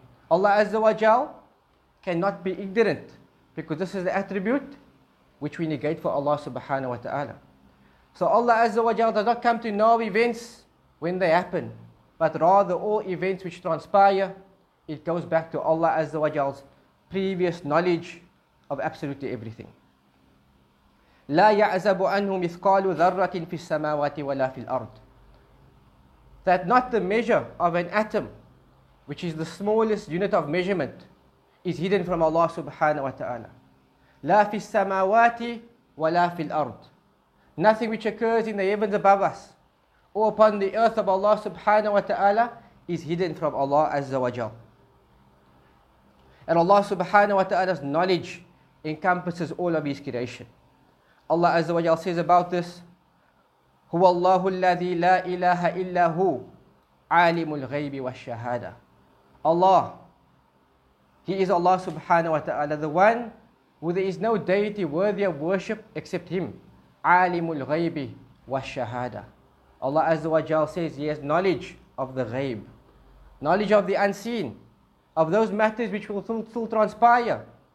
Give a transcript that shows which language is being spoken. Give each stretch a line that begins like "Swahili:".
English: Allah Azza wa Jal cannot be ignorant, because this is the attribute which we negate for Allah subhanahu wa ta'ala. So Allah Azza wa Jal does not come to know events when they happen, but rather all events which transpire, it goes back to Allah Azza wa Jal's previous knowledge of absolutely everything.
Arabic: لا يعزب عنه مثقال ذرة في السماوات ولا في الأرض.
English: That not the measure of an atom, which is the smallest unit of measurement, is hidden from Allah subhanahu wa ta'ala.
Arabic: لا في السماوات ولا في الأرض.
English: Nothing which occurs in the heavens above us or upon the earth of Allah subhanahu wa ta'ala is hidden from Allah azza wa jal. And Allah subhanahu wa ta'ala's knowledge encompasses all of His creation. Allah azza wa jal says about this,
Arabic: هو الله الذي لا إله إلا هو عالم الغيب والشهادة.
English: Allah, He is Allah subhanahu wa ta'ala, the one where there is no deity worthy of worship except Him.
Arabic: عالم الغيب والشهادة.
English: Allah Azza wa Jal says He has knowledge of the ghayb, knowledge of the unseen, of those matters which will still transpire.